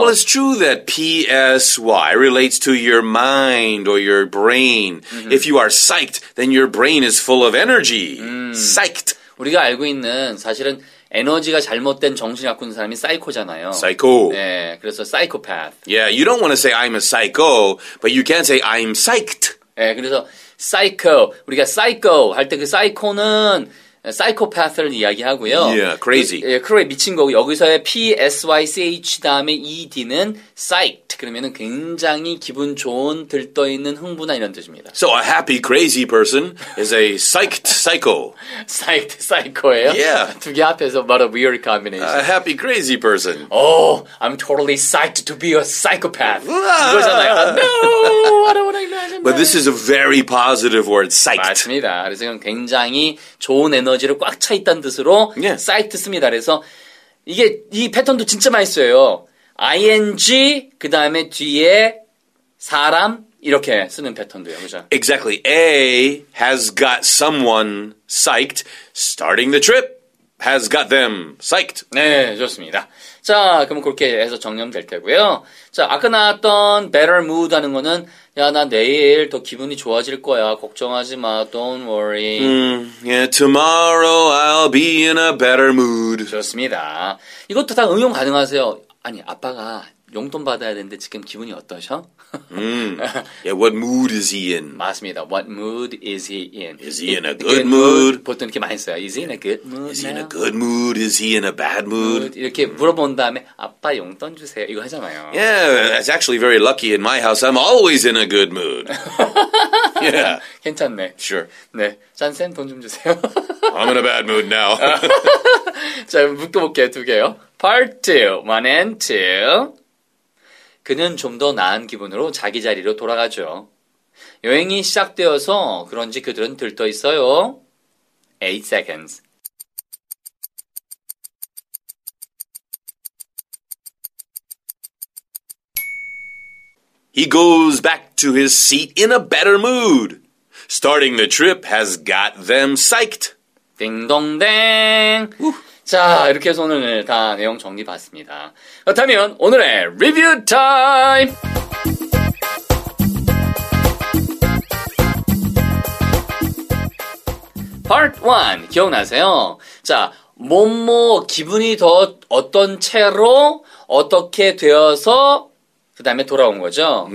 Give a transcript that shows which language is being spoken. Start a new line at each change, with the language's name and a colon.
English: Well, it's true that P-S-Y relates to your mind or your brain. Mm-hmm. If you are psyched, then your brain is full of energy. Psyched.
Korean: 우리가 알고 있는 사실은 에너지가 잘못된 정신 갖고 있는 사람이 사이코잖아요. 사이코. 네, 그래서 사이코패스.
English: Yeah, you don't want to say I'm a psycho, but you can say I'm psyched.
Korean: 네, 그래서 사이코, 우리가 사이코 할 때 그 사이코는 사이코패스를 이야기하고요.
English: Yeah, crazy.
Korean: 예, 크로에 미친 거고 여기서의 P-S-Y-C-H 다음에 E-D는 psyched. 그러면은 굉장히 기분 좋은, 들떠있는 흥분한 이런 뜻입니다.
English: So a happy, crazy person is a psyched psycho. Psyched psycho예요? Yeah.
Korean: 두 개 앞에서
English: what a weird combination. A happy, crazy person. Oh, I'm totally psyched to be a psychopath.
Korean: 그거잖아요.
English: No, I don't want to imagine that. But this is a very positive word, psyched.
Korean: 맞습니다. 그래서 이건 굉장히 좋은 에너지를 꽉 차 있다는 뜻으로
English: yeah.
Korean: 사이트 씁니다. 그래서 이게 이 패턴도 진짜 많이 써요. ing 그 다음에 뒤에 사람 이렇게 쓰는 패턴도요. 그죠?
English: Exactly. A has got someone psyched. Starting the trip has got them psyched.
Korean: 네, 좋습니다. 자, 그럼 그렇게 해서 정리될 테고요. 자, 아까 나왔던 better mood 하는 거는 야, 나 내일 더 기분이 좋아질 거야. 걱정하지 마.
English: Don't worry. Yeah, tomorrow I'll be in a better mood.
Korean: 좋습니다. 이것도 다 응용 가능하세요. 아니, 아빠가 용돈 받아야 되는데 지금 기분이 어떠셔?
English: Yeah, what mood is he in?
Korean: 맞습니다.
English: What mood is he in? Is he in a good mood?
Korean: 보통 이렇게 많이 써요.
English: Is he in a good mood? Is he in a good mood? Is he in a bad mood?
Korean: 이렇게 물어본 다음에 아빠 용돈 주세요. 이거 하잖아요.
English: Yeah, that's actually very lucky in my house. I'm always in a good mood. Yeah.
Korean: 괜찮네.
English: Sure.
Korean: 네. 잔센 돈 좀 주세요.
English: I'm in a bad mood now.
Korean: 자, 묶어볼게요. 두 개요. Part 2. 1 and 2. 그는 좀 더 나은 기분으로 자기 자리로 돌아가죠. 여행이 시작되어서 그런지 그들은 들떠있어요.
English: 8 seconds. 'He goes back to his seat in a better mood. Starting the trip has got them psyched.'
Korean: 띵동댕. 자, 이렇게 해서 오늘 다 내용 정리 봤습니다. 그렇다면 오늘의 리뷰 타임! 파트 1 기억나세요? 자, 뭐뭐 기분이 더 어떤 채로 어떻게 되어서 그 다음에 돌아온 거죠?